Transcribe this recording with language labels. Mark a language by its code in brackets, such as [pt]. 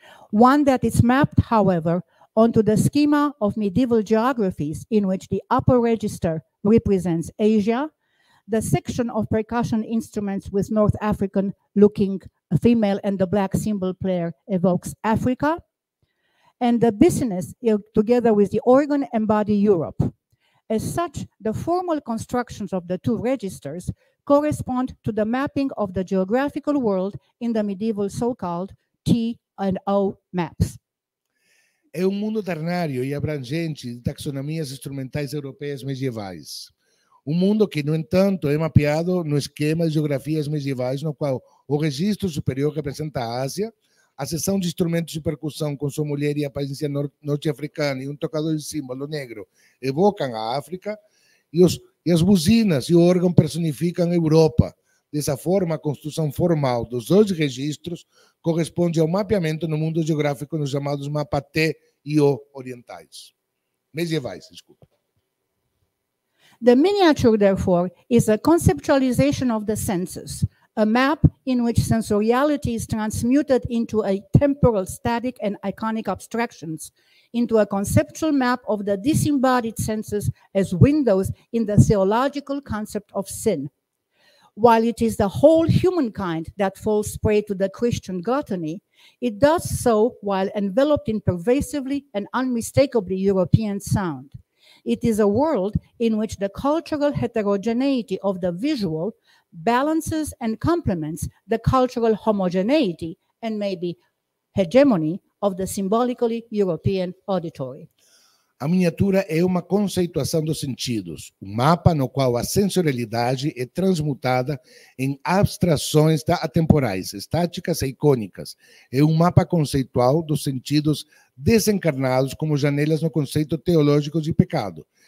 [en] One that is mapped, however, onto the schema of medieval geographies in which the upper register represents Asia, the section of percussion instruments with North African looking female and the black cymbal player evokes Africa, and the business together with the organ embody Europe. As such, the formal constructions of the two registers correspond to the mapping of the geographical world in the medieval so-called T and O maps. [pt] É um mundo ternário e abrangente de taxonomias instrumentais europeias medievais. Um mundo que, no entanto, é mapeado no esquema de geografias medievais, no qual o registro superior representa a Ásia, a seção de instrumentos de percussão com sua mulher e a aparência norte-africana e um tocador de símbolo negro evocam a África, e as buzinas e o órgão personificam a Europa. Dessa forma, a construção formal dos dois registros corresponde ao mapeamento no mundo geográfico nos chamados mapa T e O orientais. Medievais, desculpa. [en] The miniature, therefore, is a conceptualization of the senses, a map in which sensoriality is transmuted into a temporal static and iconic abstractions, into a conceptual map of the disembodied senses as windows in the theological concept of sin. While it is the whole humankind that falls prey to the Christian gluttony, it does so while enveloped in pervasively and unmistakably European sound. It is a world in which the cultural heterogeneity of the visual balances and complements the cultural homogeneity and maybe hegemony of the symbolically European auditory. [pt] A miniatura é uma conceituação dos sentidos, um mapa no qual a sensorialidade é transmutada em abstrações atemporais, estáticas e icônicas. É um mapa conceitual dos sentidos desencarnados como janelas no conceito teológico de pecado.